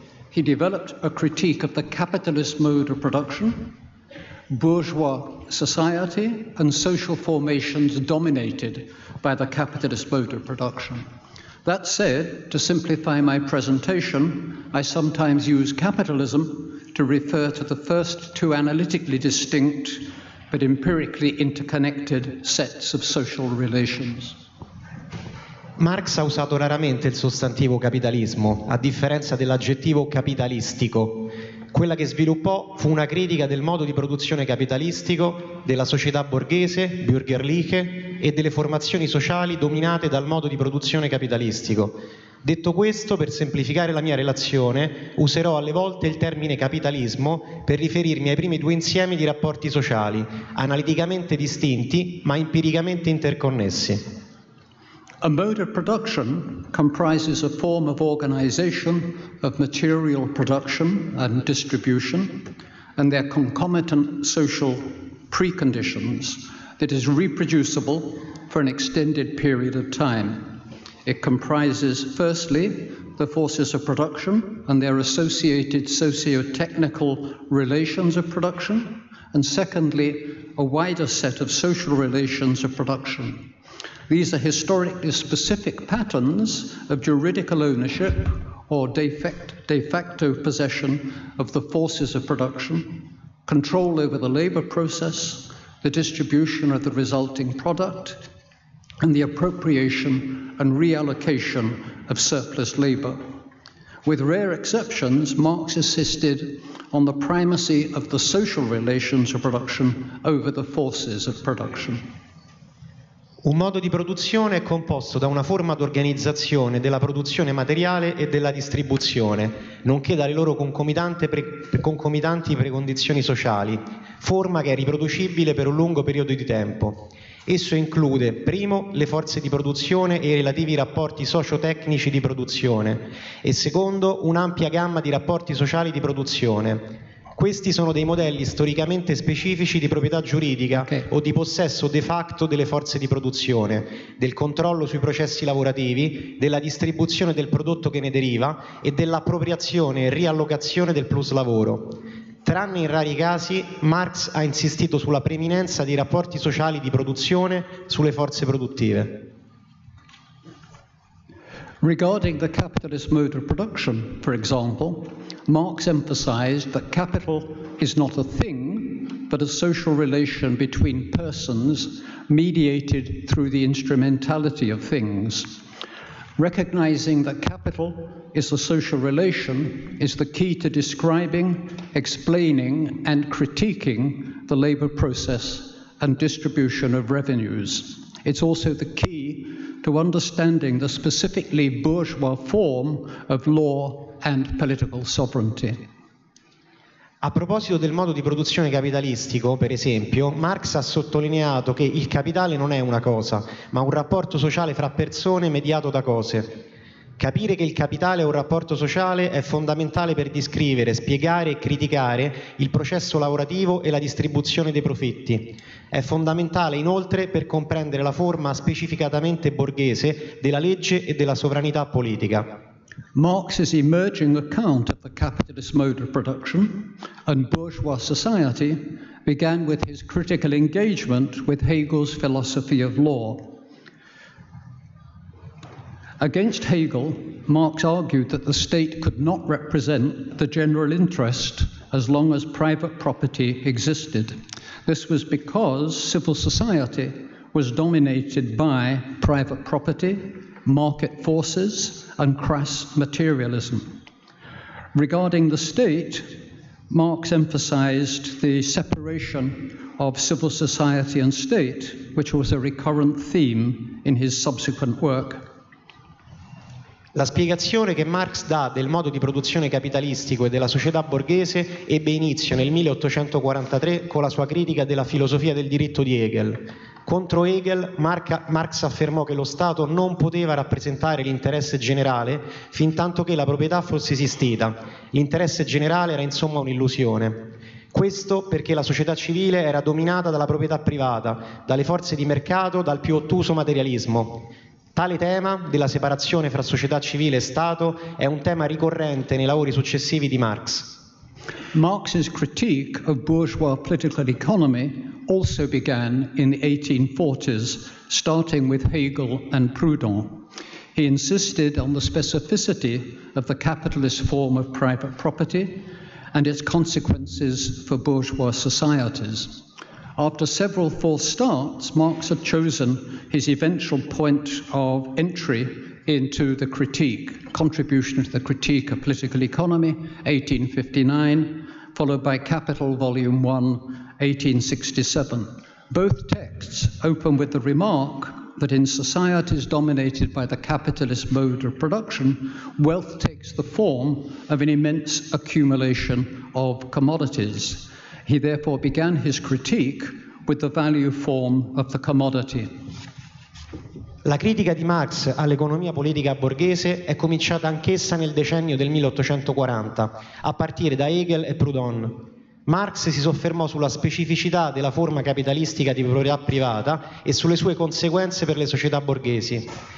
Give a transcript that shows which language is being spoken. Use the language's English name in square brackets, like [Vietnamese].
[English] He developed a critique of the capitalist mode of production, bourgeois society, and social formations dominated by the capitalist mode of production. That said, to simplify my presentation, I sometimes use capitalism to refer to the first two analytically distinct but empirically interconnected sets of social relations. [Italian] Marx ha usato raramente il sostantivo capitalismo, a differenza dell'aggettivo capitalistico. Quella che sviluppò fu una critica del modo di produzione capitalistico, della società borghese, bürgerliche, e delle formazioni sociali dominate dal modo di produzione capitalistico. Detto questo, per semplificare la mia relazione, userò alle volte il termine capitalismo per riferirmi ai primi due insiemi di rapporti sociali, analiticamente distinti ma empiricamente interconnessi. [English] A mode of production comprises a form of organization of material production and distribution and their concomitant social preconditions that is reproducible for an extended period of time. It comprises, firstly, the forces of production and their associated socio-technical relations of production, and secondly, a wider set of social relations of production. These are historically specific patterns of juridical ownership or de facto possession of the forces of production, control over the labor process, the distribution of the resulting product, and the appropriation and reallocation of surplus labor. With rare exceptions, Marx insisted on the primacy of the social relations of production over the forces of production. [Italian] Un modo di produzione è composto da una forma d'organizzazione della produzione materiale e della distribuzione, nonché dalle loro concomitanti precondizioni sociali, forma che è riproducibile per un lungo periodo di tempo. Esso include, primo, le forze di produzione e i relativi rapporti socio-tecnici di produzione, e secondo, un'ampia gamma di rapporti sociali di produzione. Questi sono dei modelli storicamente specifici di proprietà giuridica o di possesso de facto delle forze di produzione, del controllo sui processi lavorativi, della distribuzione del prodotto che ne deriva e dell'appropriazione e riallocazione del plus lavoro. Tranne in rari casi, Marx ha insistito sulla preminenza dei rapporti sociali di produzione sulle forze produttive. [English] Regarding the capitalist mode of production, for example, Marx emphasized that capital is not a thing, but a social relation between persons mediated through the instrumentality of things. Recognizing that capital is a social relation is the key to describing, explaining, and critiquing the labor process and distribution of revenues. It's also the key to understanding the specifically bourgeois form of law and political sovereignty. [Italian] A proposito del modo di produzione capitalistico, per esempio, Marx ha sottolineato che il capitale non è una cosa, ma un rapporto sociale fra persone mediato da cose. Capire che il capitale è un rapporto sociale è fondamentale per descrivere, spiegare e criticare il processo lavorativo e la distribuzione dei profitti. È fondamentale inoltre per comprendere la forma specificatamente borghese della legge e della sovranità politica. [English] Marx's emerging account of the capitalist mode of production and bourgeois society began with his critical engagement with Hegel's philosophy of law. Against Hegel, Marx argued that the state could not represent the general interest as long as private property existed. This was because civil society was dominated by private property, market forces, and crass materialism. Regarding the state, Marx emphasized the separation of civil society and state, which was a recurrent theme in his subsequent work. [Italian] La spiegazione che Marx dà del modo di produzione capitalistico e della società borghese ebbe inizio nel 1843 con la sua critica della filosofia del diritto di Hegel. Contro Hegel, Marx affermò che lo Stato non poteva rappresentare l'interesse generale fin tanto che la proprietà fosse esistita. L'interesse generale era insomma un'illusione. Questo perché la società civile era dominata dalla proprietà privata, dalle forze di mercato, dal più ottuso materialismo. Tale tema della separazione fra società civile e Stato è un tema ricorrente nei lavori successivi di Marx. [English] Marx's critique of bourgeois political economy also began in the 1840s, starting with Hegel and Proudhon. He insisted on the specificity of the capitalist form of private property and its consequences for bourgeois societies. After several false starts, Marx had chosen his eventual point of entry into the critique, contribution to the critique of political economy, 1859, followed by Capital, Volume 1, 1867. Both texts open with the remark that in societies dominated by the capitalist mode of production, wealth takes the form of an immense accumulation of commodities. He therefore began his critique with the value form of the commodity. [Italian] La critica di Marx all'economia politica borghese è cominciata anch'essa nel decennio del 1840, a partire da Hegel e Proudhon. Marx si soffermò sulla specificità della forma capitalistica di proprietà privata e sulle sue conseguenze per le società borghesi.